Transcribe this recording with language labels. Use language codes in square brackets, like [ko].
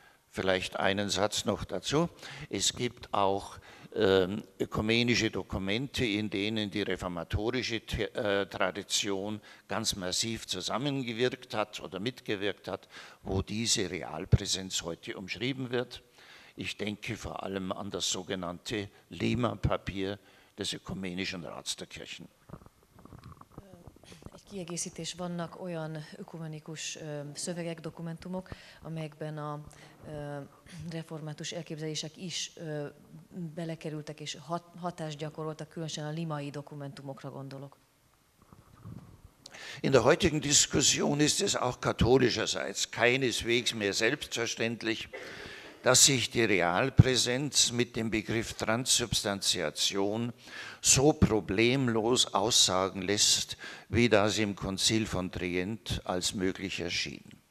[de] Vielleicht einen Satz noch dazu. Es gibt auch ökumenische Dokumente, in denen die reformatorische Tradition ganz massiv zusammengewirkt hat oder mitgewirkt hat, wo diese Realpräsenz heute umschrieben wird. Ich denke vor allem an das sogenannte Lima-Papier des Ökumenischen Rats der Kirchen. [hu] Egy kiegészítés, vannak olyan ökumenikus szövegek, dokumentumok, amelyekben a református elképzelések is belekerültek és hatást gyakoroltak, különösen a limai dokumentumokra gondolok. [de] In der heutigen Diskussion ist es auch katholischerseits keineswegs mehr selbstverständlich, dass sich die Realpräsenz mit dem Begriff Transsubstantiation so problemlos aussagen lässt, wie das im Konzil von Trient als möglich erschien.